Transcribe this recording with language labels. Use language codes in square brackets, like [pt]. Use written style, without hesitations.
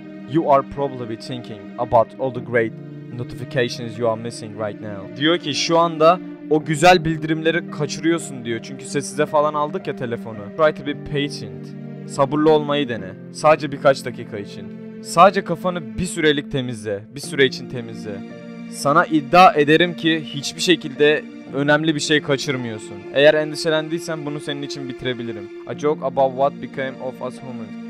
[en] You are probably thinking about all the great notifications you are missing right now. [tr] Diyor ki şu anda o güzel bildirimleri kaçırıyorsun diyor. Çünkü sessize falan aldık ya telefonu. [en] Try to be patient. [tr] Sabırlı olmayı dene. Sadece birkaç dakika için. Sadece kafanı bir sürelik temizle. Bir süre için temizle. Sana iddia ederim ki hiçbir şekilde önemli bir şey kaçırmıyorsun. Eğer endişelendiysen bunu senin için bitirebilirim. [en] A joke about what became of us humans.